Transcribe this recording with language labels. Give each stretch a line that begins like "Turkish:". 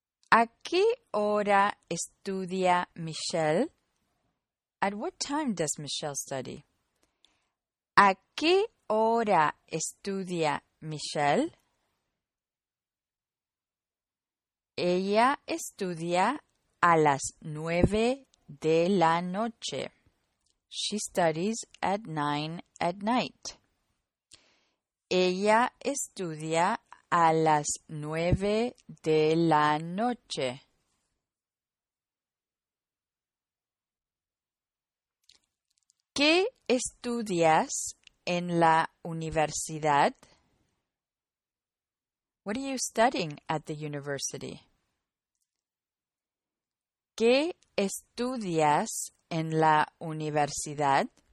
Spanish: ¿A qué hora estudia Michelle?
English: At what time does Michelle study?
Spanish: ¿A qué hora estudia Michelle? Ella estudia a las 9 de la noche.
English: She studies at 9 at night.
Spanish: Ella estudia a las 9 de la noche. ¿Qué estudias en la universidad?
English: What are you studying at the university?
Spanish: ¿Qué estudias en la universidad?